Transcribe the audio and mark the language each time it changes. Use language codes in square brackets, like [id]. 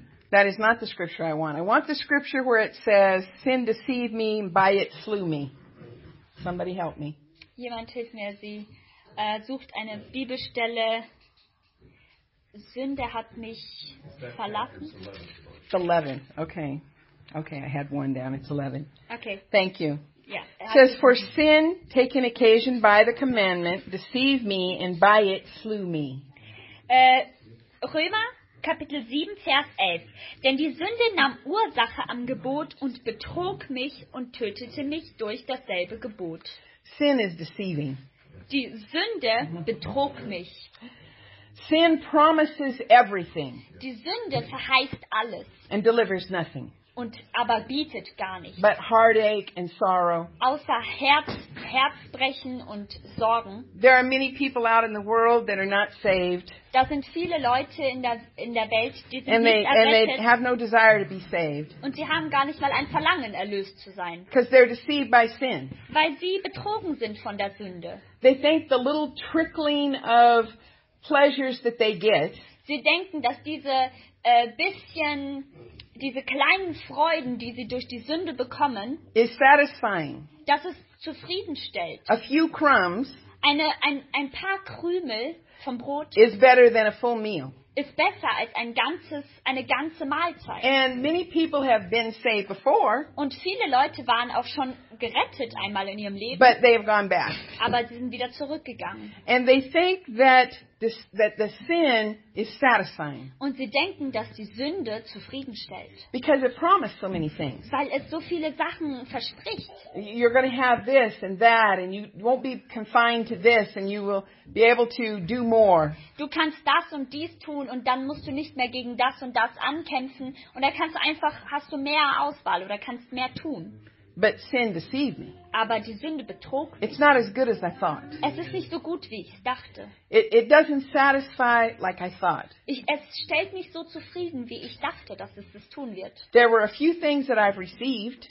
[en] That is not the scripture I want. I want the scripture where it says, sin deceived me, by it slew me. Somebody help me. [de] Jemand hilft mir. Sie sucht eine Bibelstelle. Sünde hat mich verlassen. [en] It's 11. Okay. Okay, I had one down. It's 11. Okay. Thank you. Yeah. It says, for sin, taking occasion by the commandment, deceived me, and by it slew me. [de] Römer? Kapitel 7, Vers 11. Denn die Sünde nahm Ursache am Gebot und betrog mich und tötete mich durch dasselbe Gebot. [en] Sin is deceiving. [de] Die Sünde betrog mich. [en] Sin promises everything. [de] Die Sünde verheißt alles. [en] And delivers nothing. [de] Und aber bietet gar nichts. [en] But heartache and sorrow. [de] Außer Herzbrechen und Sorgen. [en] There are many people out in the world that are not saved. [de] Da sind viele Leute in der Welt, die sind [en] and [de] nicht [en] they, [de] errettet. [en] And they have no desire to be saved. [de] Und sie haben gar nicht mal ein Verlangen, erlöst zu sein. [en] Because they're deceived by sin. [de] Weil sie betrogen sind von der Sünde. [en] They think the little trickling of pleasures that they get. [de] Sie denken, dass diese bisschen diese kleinen Freuden, die sie durch die Sünde bekommen, [en] is satisfying. [de] Dass es zufriedenstellt. [en] A few crumbs [de] ein paar Krümel vom Brot [en] is better than a full meal. [de] Ist besser als eine ganze Mahlzeit. [en] And many people have been saved before. [de] Und viele Leute waren auch schon gerettet einmal in ihrem Leben. [en] But they have gone back. [de] Aber sie sind wieder zurückgegangen. [en] And they think that the sin is satisfying. [de] Und sie denken, dass die Sünde zufriedenstellt. [en] Because it promised so many things. [de] Weil es so viele Sachen verspricht. [en] You're going to have this and that and you won't be confined to this and you will be able to do more. [de] Du kannst das und dies tun und dann musst du nicht mehr gegen das und das ankämpfen und dann kannst du einfach hast du mehr Auswahl oder kannst mehr tun. [en] But sin deceived me. [de] Aber die Sünde betrog mich. [en] It's not as good as I thought. [de] Es ist nicht so gut, wie ich dachte. [en] It doesn't satisfy like I thought. [de] Es stellt mich so zufrieden, wie ich dachte, dass es das tun wird. [en] There were a few things that I've received.